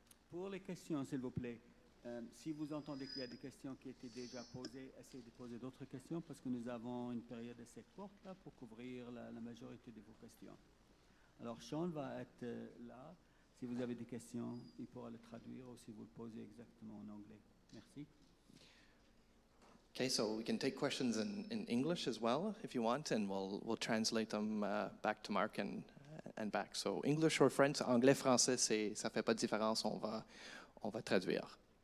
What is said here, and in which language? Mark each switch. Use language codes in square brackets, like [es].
[fr] Pour les questions, s'il vous plaît, si vous entendez qu'il y a des questions qui étaient déjà posées, essayez de poser d'autres questions parce que nous avons une période assez courte là, pour couvrir la majorité de vos questions. Alors, Sean va être là. Si vous avez des questions, il pourra les traduire ou si vous le posez exactement en anglais. Merci. [en] Okay, so we can take questions in English as well, if you want, and we'll translate them back to Mark and back. So English or French, [fr] anglais, français, c'est, ça fait pas de différence, on va traduire.